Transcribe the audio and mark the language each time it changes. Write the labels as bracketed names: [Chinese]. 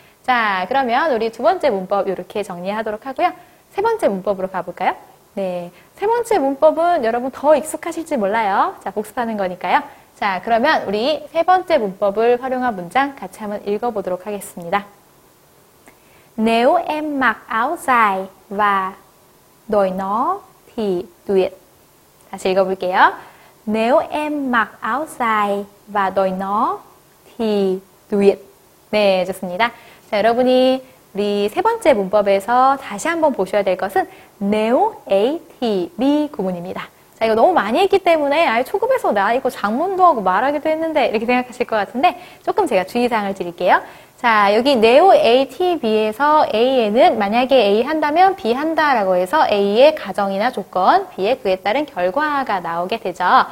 [Korean] 자, 그러면 우리 두 번째 문법 이렇게 정리하도록 하고요. 세 번째 문법으로 가볼까요? 네. 세 번째 문법은 여러분 더 익숙하실지 몰라요. 자, 복습하는 거니까요. 자, 그러면 우리 세 번째 문법을 활용한 문장 같이 한번 읽어보도록 하겠습니다. [Vietnamese] Nếu em mặc áo dài và đội nó thì tuyệt. [Korean] 다시 읽어볼게요. [Vietnamese] Nếu em mặc áo dài và đội nó thì tuyệt. [Korean] 네, 좋습니다. 자, 여러분이 우리 세 번째 문법에서 다시 한번 보셔야 될 것은 네오 에이티 비 구문입니다. 자, 이거 너무 많이 했기 때문에 아예 초급에서 나 이거 작문도 하고 말하기도 했는데 이렇게 생각하실 것 같은데 조금 제가 주의사항을 드릴게요. 자, 여기 네오 에이티 비에서 A에는 만약에 A 한다면 B 한다라고 해서 A의 가정이나 조건, B의 그에 따른 결과가 나오게 되죠.